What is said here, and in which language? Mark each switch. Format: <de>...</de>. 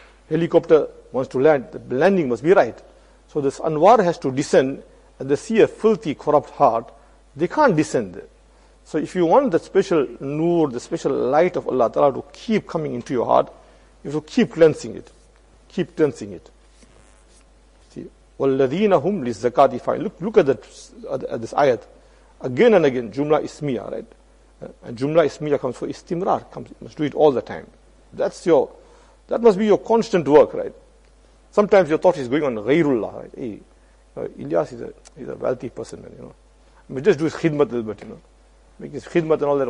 <en>Helicopter wants to land, the landing must be right. So this anwar has to descend, and they see a filthy, corrupt heart, they can't descend there. So if you want the special nur, the special light of Allah Ta'ala to keep coming into your heart, you have to keep cleansing it. Keep cleansing it. See,</en> <ar>وَالَّذِينَ هُمْ لِلزَّكَاتِ فَاعِلُونَ.</ar> <en>Look at this ayat. Again and again, jumla ismiya, right? And jumla ismiya comes for istimrar, must do it all the time. That must be your constant work, right? Sometimes your thought is going on ghairullah, right? Hey, Ilyas is a wealthy person, man, you know. I mean, just do his khidmat a little bit, you know. Make his khidmat and all that.</en>